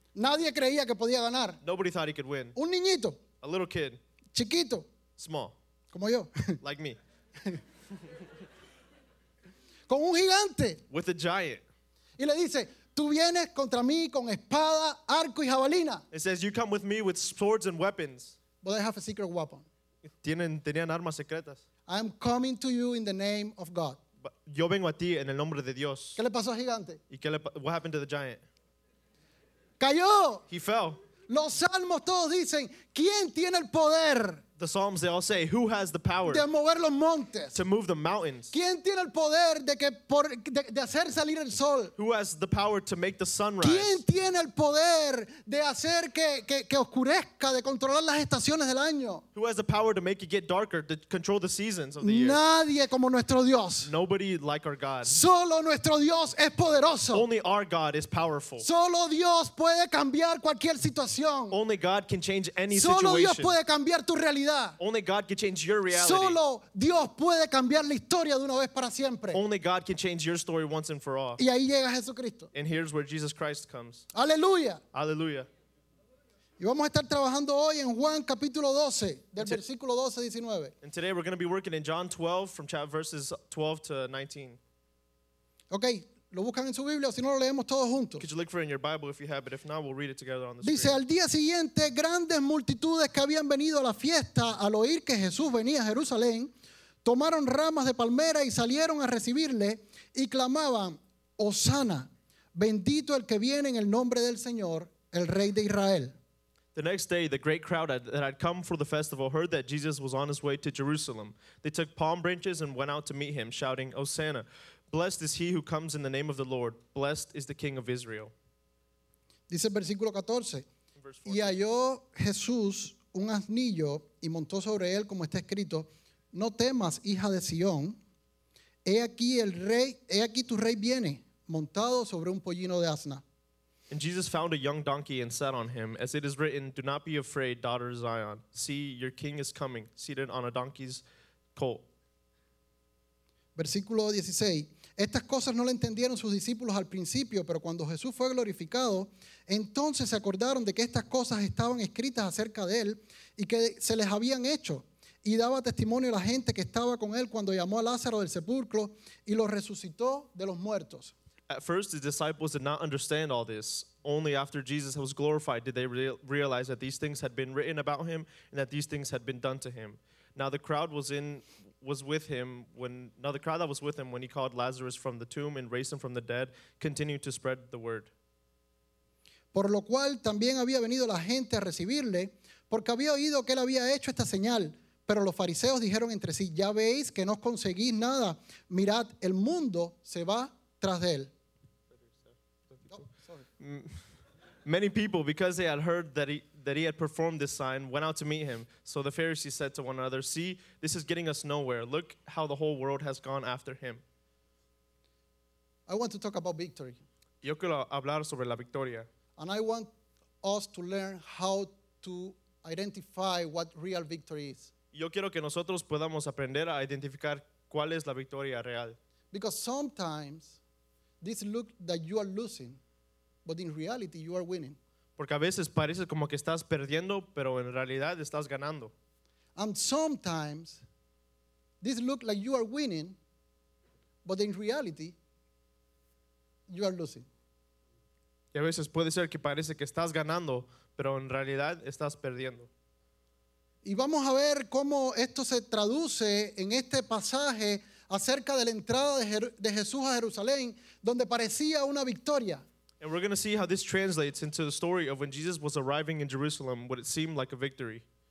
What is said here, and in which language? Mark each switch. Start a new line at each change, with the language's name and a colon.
Spanish: Nadie creía que podía ganar.
English: Nobody thought he could win.
Spanish: Un niñito.
English: A little kid.
Spanish: Chiquito.
English: Small.
Spanish: Como yo.
English: Like me.
Spanish: Con un gigante.
English: With a giant.
Spanish: Y le dice, tú vienes contra mí con espada, arco y jabalina.
English: It says, you come with me with swords and weapons. But I have a secret weapon.
Spanish: Tenían armas secretas.
English: I am coming to you in the name of God.
Spanish: Yo vengo a ti en el nombre de Dios. ¿Qué le pasó al gigante?
English: ¿Y what happened to the giant?
Spanish: Cayó.
English: He fell.
Spanish: Los salmos todos dicen ¿Quién tiene el poder?
English: The Psalms, they all say, who has the power
Spanish: de mover los montes?
English: To move the mountains?
Spanish: ¿Quién tiene el poder de que por, de hacer salir el sol?
English: Who has the power to make the sun rise?
Spanish: ¿Quién tiene el poder de hacer que oscurezca, de controlar las estaciones del año?
English: Who has the power to make it get darker, to control the seasons of the
Spanish: Nadie
English: year?
Spanish: Nadie como nuestro Dios.
English: Nobody like our God.
Spanish: Solo nuestro Dios es poderoso.
English: Only our God is powerful.
Spanish: Solo Dios puede cambiar cualquier situación.
English: Only God can change any
Spanish: Solo Solo Dios puede cambiar tu realidad.
English: Only God can change your reality.
Spanish: Solo Dios puede cambiar la historia de una vez para siempre.
English: Only God can change your story once and for all.
Spanish: Y ahí llega Jesucristo.
English: And here's where Jesus Christ comes.
Spanish: Aleluya. Aleluya. Y vamos a estar trabajando hoy en Juan capítulo 12, del versículo 12 a 19.
English: And today we're going to be working in John 12 from verses 12 to 19. Okay.
Spanish: Lo buscan en su Biblia, si no lo leemos todos juntos.
English: Could you look for it in your Bible if you have, but if not, we'll read it together on the
Spanish: Dice,
English: screen.
Spanish: Dice, al día siguiente, grandes multitudes que habían venido a la fiesta al oír que Jesús venía a Jerusalén, tomaron ramas de palmera y salieron a recibirle y clamaban, Hosanna, bendito el que viene en el nombre del Señor, el Rey de Israel.
English: The next day, the great crowd that had come for the festival heard that Jesus was on his way to Jerusalem. They took palm branches and went out to meet him, shouting, Hosanna. Blessed is he who comes in the name of the Lord. Blessed is the King of Israel.
Spanish: Dice el versículo 14. Y halló Jesús un asnillo y montó sobre él como está escrito. No temas, hija de Sion. He aquí el rey, he aquí tu rey viene, montado sobre un pollino de asna.
English: And Jesus found a young donkey and sat on him. As it is written, do not be afraid, daughter Zion. See, your king is coming, seated on a donkey's colt.
Spanish: Versículo 16. Estas cosas no le entendieron sus discípulos al principio, pero cuando Jesús fue glorificado, entonces se acordaron de que estas cosas estaban escritas acerca de él y que se les habían hecho. Y daba testimonio a la gente que estaba con él cuando llamó a Lázaro del sepulcro y lo resucitó de los muertos.
English: At first, the disciples did not understand all this. Only after Jesus was glorified did they realize that these things had been written about him and that these things had been done to him. Now the crowd was in... was with him when now the crowd that was with him when he called Lazarus from the tomb and raised him from the dead continued to spread the word.
Spanish: Por lo cual también había venido la gente a recibirle porque había oído que él había hecho esta señal, pero los fariseos dijeron entre sí, ya veis que no conseguís nada, mirad, el mundo se va tras de él.
English: Many people, because they had heard that he had performed this sign, went out to meet him. So the Pharisees said to one another, see, this is getting us nowhere. Look how the whole world has gone after him. I want to talk about victory.
Spanish: Yo quiero hablar sobre la victoria.
English: And I want us to learn how to identify what real victory is.
Spanish: Yo quiero que nosotros podamos aprender a identificar cuál es la victoria real.
English: Because sometimes this look that you are losing, but in reality you are winning.
Spanish: Porque a veces parece como que estás perdiendo, pero en realidad estás ganando.
English: And sometimes this look like you are winning, but in reality you are losing.
Spanish: Y a veces puede ser que parece que estás ganando, pero en realidad estás perdiendo. Y vamos a ver cómo esto se traduce en este pasaje acerca de la entrada de Jesús a Jerusalén, donde parecía una victoria.
English: And we're going to see how this translates into the story of when Jesus was arriving in Jerusalem, what it seemed like a victory.